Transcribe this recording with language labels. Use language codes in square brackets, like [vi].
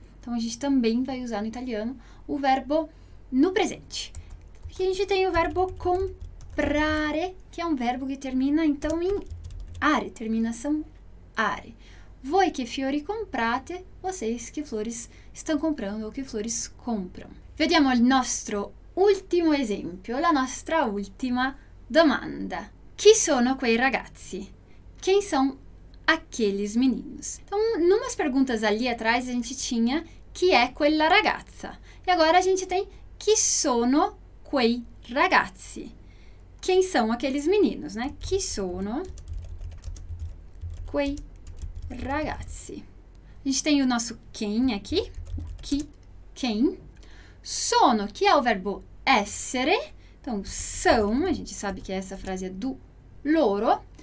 [pt] Então, a gente também vai usar no italiano o verbo no presente. Aqui a gente tem o verbo comprare, que é um verbo que termina, então, em Ari, terminação are. [it] Voi que fiori comprate, [pt] vocês que flores estão comprando ou que flores compram. [it] Vediamo il nostro ultimo esempio, la nostra ultima domanda. Chi sono quei ragazzi? [pt] Quem são aqueles meninos? Então, numas perguntas ali atrás, a gente tinha [it] chi è quella ragazza. [pt] E agora a gente tem [it] chi sono quei ragazzi. [pt] Quem são aqueles meninos, né? [it] Chi sono quei ragazzi. [pt] A gente tem o nosso quem aqui. Chi, quem. Sono, que é o verbo essere. Então, são, a gente sabe que essa frase é do loro.